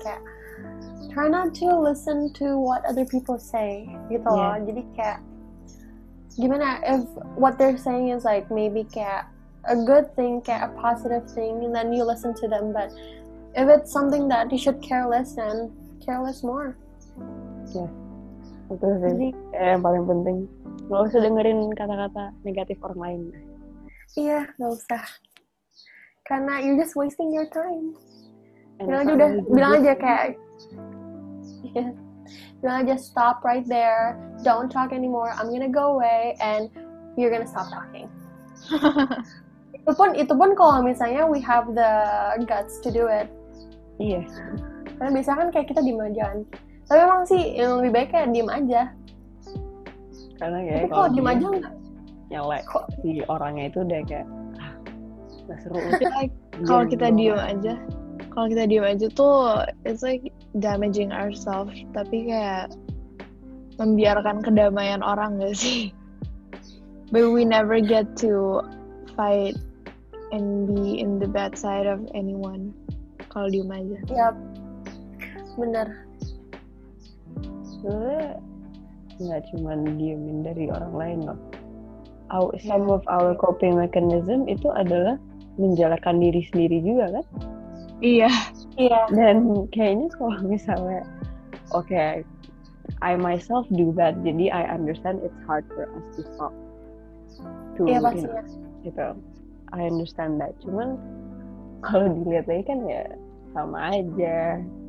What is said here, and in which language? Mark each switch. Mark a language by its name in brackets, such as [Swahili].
[English] Kayak, try not to listen to what other people say [Indonesian] gitu loh. [English] Yeah. [Indonesian] Jadi kayak, gimana [English] if what they're saying is like maybe [Indonesian] kayak [English] a good thing, kayak a positive thing, and then you listen to them. But if it's something that you should care less, then care less more. [Indonesian] Yeah. Itu sih jadi, yang paling penting. Gak usah dengerin kata-kata negatif orang lain. Iya, gak usah. Karena [English] you're just wasting your time. Bilang aja kayak, bilang aja stop right there, don't talk anymore, I'm gonna go away, and you're gonna stop talking. [Indonesian] itu pun kalau misalnya [English] we have the guts to do it. [Indonesian] Iya. Karena biasanya kan kayak kita diem aja. Tapi emang sih yang lebih baik kayak diem aja. Karena kayak tapi kalau diem aja nggak? Yang [English] like [Indonesian] kok si orangnya itu deh kayak nggak seru. Kalau kita diem aja. Kalau kita diem aja tuh, [English] it's like damaging ourselves, [Indonesian] tapi kayak membiarkan kedamaian orang gak sih? [English] But we never get to fight and be in the bad side of anyone [Indonesian] kalau diem aja. Yap, bener. Sebenernya gak cuman diemin dari orang lain loh. [English] Some of our coping mechanism [Indonesian] itu adalah menjalankan diri sendiri juga kan? Iya. Dan kayaknya kalau misalnya, [English] okay, I myself do that, [Indonesian] jadi [English] I understand it's hard for us to stop. [Indonesian] Iya, yeah, pastinya. Gitu. [English] I understand that. [Indonesian] Cuman, kalau dilihat lagi kan ya sama aja.